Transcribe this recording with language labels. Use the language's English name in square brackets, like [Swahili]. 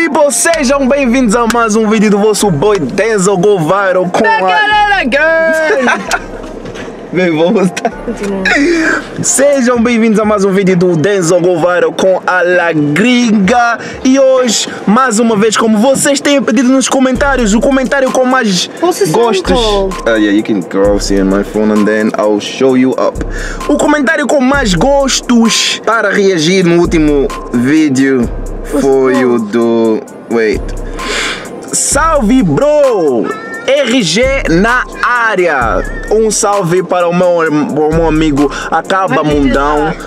[Portuguese] Sejam bem-vindos a mais um vídeo do vosso boy Denzel Go Viral com a... Bem, vamos estar... Sejam bem-vindos a mais um vídeo do Denzel Go Viral com a La Gringa. E hoje, mais uma vez, como vocês têm pedido nos comentários, o comentário com mais gostos... [English] Yeah, you can call me on my phone and then I'll show you up. [Portuguese] O comentário com mais gostos para reagir no último vídeo foi o do... [English] Wait. [Portuguese] Salve, bro! RG na área! Um salve para o meu amigo Acaba Mundão.